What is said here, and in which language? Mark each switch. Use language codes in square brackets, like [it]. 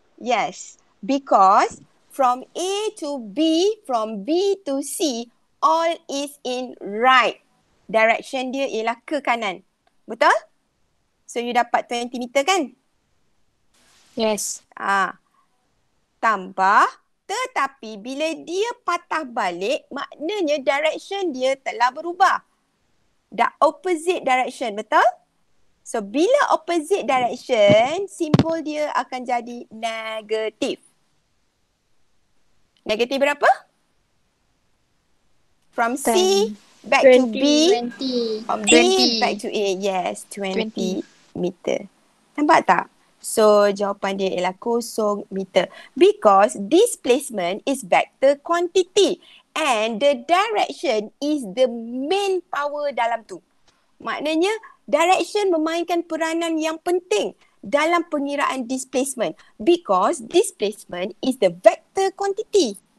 [en] Yes, because from A to B, from B to C, all is in right. [ms] Direction dia ialah ke kanan. Betul? [en] So you [ms] dapat 20 meter kan? [en] Yes. [ms] Tambah, tetapi bila dia patah balik, maknanya direction dia telah berubah. Dah opposite direction, betul? So, bila opposite direction, simbol dia akan jadi negatif. Negatif berapa? [en] From 10. C back 20. To B. 20. From B 20. Back to A. Yes, 20 meter. [ms] Nampak tak? So, jawapan dia ialah 0 meter. [en] Because displacement is vector quantity. And the direction is the main power [ms] dalam tu. Maknanya, direction memainkan peranan yang penting dalam pengiraan displacement [en] because displacement is the vector quantity.